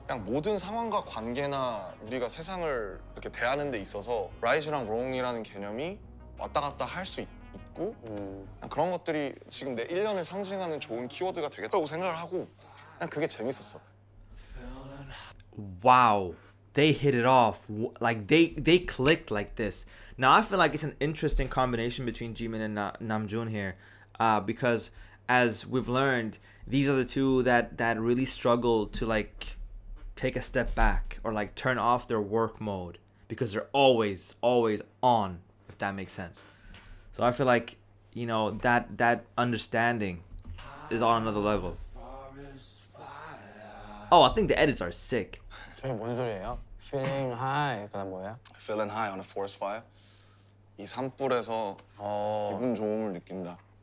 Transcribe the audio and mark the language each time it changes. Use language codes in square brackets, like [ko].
[ko] 그냥 모든 상황과 관계나 우리가 세상을 이렇게 대하는 데 있어서 right이랑 wrong이라는 개념이 왔다 갔다 할 수 있고 그냥 그런 것들이 지금 내 1년을 상징하는 좋은 키워드가 되겠다고 생각을 하고 그냥 그게 재밌었어. 와우. [en] They hit it off, like they clicked like this. Now I feel like it's an interesting combination between Jimin and Namjoon here, because as we've learned, these are the two that really struggle to like take a step back or like turn off their work mode because they're always on, if that makes sense. So I feel like, you know, that understanding is on another level. Oh, I think the edits are sick. [ko] 뭔 소리예요? [en] Feeling high, [ko] 그다음 뭐야? [en] Feeling high on a forest fire. [ko] 이 산불에서 기분 좋음을 느낀다.